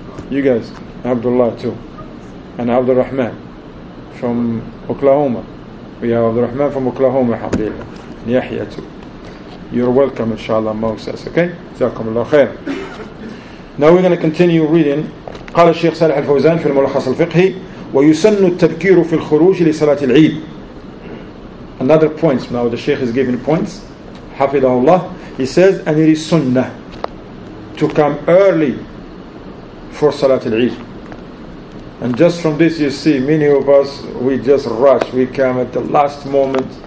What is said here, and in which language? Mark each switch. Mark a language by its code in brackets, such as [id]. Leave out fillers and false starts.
[en] You guys, Abdullah too, and Abdul Rahman from Oklahoma. We have Abdul Rahman from Oklahoma, alhamdulillah, and Yahya too. You're welcome, inshallah, amongst us. Okay, Jazakum Allah khair. Now we're going to continue reading. [ar] قال الشيخ صالح الفوزان في الملخص الفقهي ويسن التبكير في الخروج لصلاة العيد. [en] Another points. Now the Sheikh is giving points. Hafidahullah, he says, and it is sunnah to come early for Salat al-Eid. And just from this you see, many of us, we just rush, we come at the last moment,